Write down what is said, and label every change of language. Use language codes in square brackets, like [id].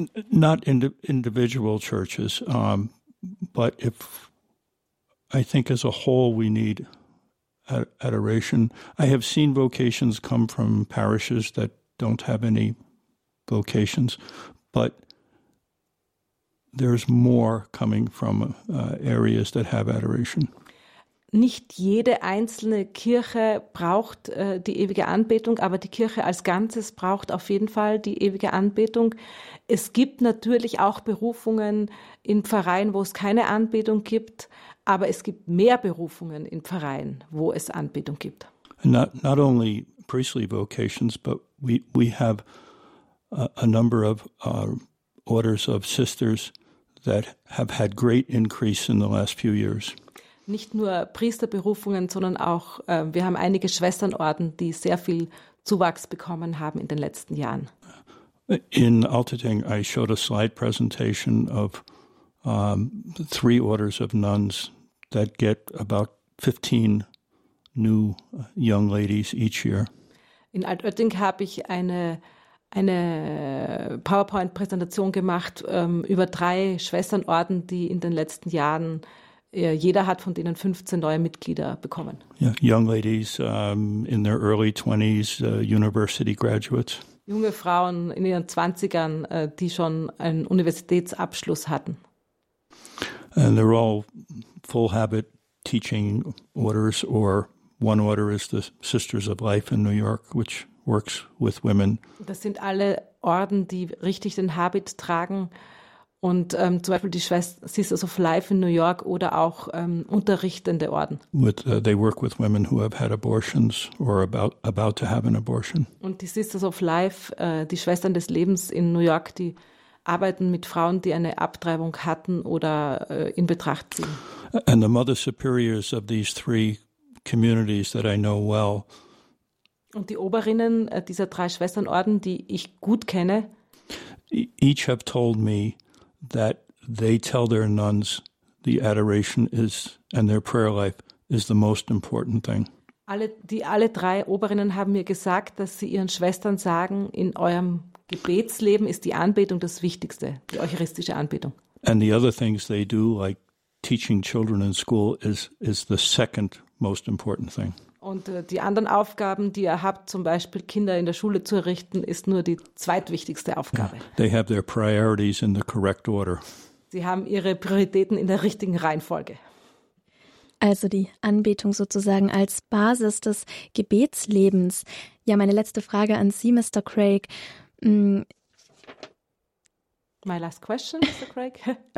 [en] Not individual churches, but if I think as a whole we need adoration. I have seen vocations come from parishes that don't have any vocations, but there's more coming from areas that have adoration. [de] Nicht jede einzelne Kirche braucht die ewige Anbetung, aber die Kirche als Ganzes braucht auf jeden Fall die ewige Anbetung. Es gibt natürlich auch Berufungen in Pfarreien, wo es keine Anbetung gibt, aber es gibt mehr Berufungen in Pfarreien, wo es Anbetung gibt. [en] Not only priestly vocations, but we have a number of orders of sisters that have had great increase in the last few years. [de] nicht nur Priesterberufungen, sondern auch, wir haben einige Schwesternorden, die sehr viel Zuwachs bekommen haben in den letzten Jahren. [en] In Altötting, I showed a slide presentation of three orders of nuns that get about 15 new young ladies each year. [de] In Altötting habe ich eine PowerPoint-Präsentation gemacht über drei Schwesternorden, die in den letzten Jahren, jeder hat von denen 15 neue Mitglieder bekommen. [en] Yeah, young ladies in their early 20s, university graduates. [de] Junge Frauen in ihren 20ern, die schon einen Universitätsabschluss hatten. [en] And they're all full habit teaching orders, or one order is the Sisters of Life in New York, which works with women. [de] Das sind alle Orden, die richtig den Habit tragen. Und zum Beispiel die Sisters of Life in New York oder auch unterrichtende Orden. [en] They work with women who have had abortions or about to have an abortion. [de] Und die Sisters of Life, die Schwestern des Lebens in New York, die arbeiten mit Frauen, die eine Abtreibung hatten oder in Betracht ziehen. [en] And the Mother Superiors of these three communities that I know well. [de] Und die Oberinnen dieser drei Schwesternorden, die ich gut kenne. [en] Each have told me that they tell their nuns the adoration is and their prayer life is the most important thing. [de] Alle drei Oberinnen haben mir gesagt, dass sie ihren Schwestern sagen, in eurem Gebetsleben ist die Anbetung das Wichtigste, die eucharistische Anbetung. [en] And the other things they do, like teaching children in school, is the second most important thing. [de] Und die anderen Aufgaben, die ihr habt, zum Beispiel Kinder in der Schule zu errichten, ist nur die zweitwichtigste Aufgabe. [en] Yeah, they have their priorities in the correct order. [de] Sie haben ihre Prioritäten in der richtigen Reihenfolge. Also die Anbetung sozusagen als Basis des Gebetslebens. Ja, meine letzte Frage an Sie, Mr. Craig. [en] My last question, Mr. Craig.